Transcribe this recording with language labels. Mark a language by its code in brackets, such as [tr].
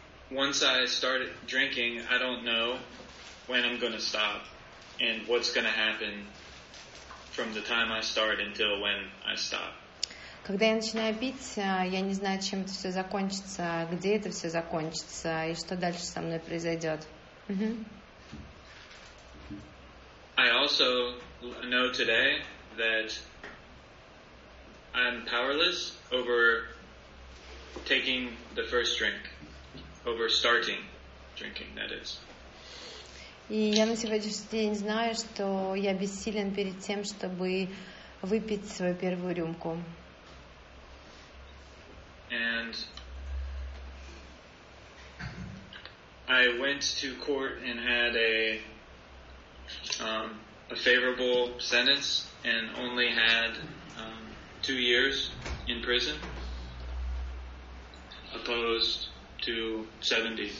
[en] once I start drinking, I don't know when I'm going to stop and what's going to happen from the time I start until when I stop. [ru] Когда я начинаю пить, я не знаю, чем это все закончится, где это все закончится и что дальше со мной произойдет. [en] I also know today that I'm powerless over taking the first drink, over starting drinking, that is. [ru] И я на сегодняшний день знаю, что я бессилен перед тем, чтобы выпить свою первую рюмку. [en] And I went to court and had a favorable sentence and only had 2 years in prison opposed to 70.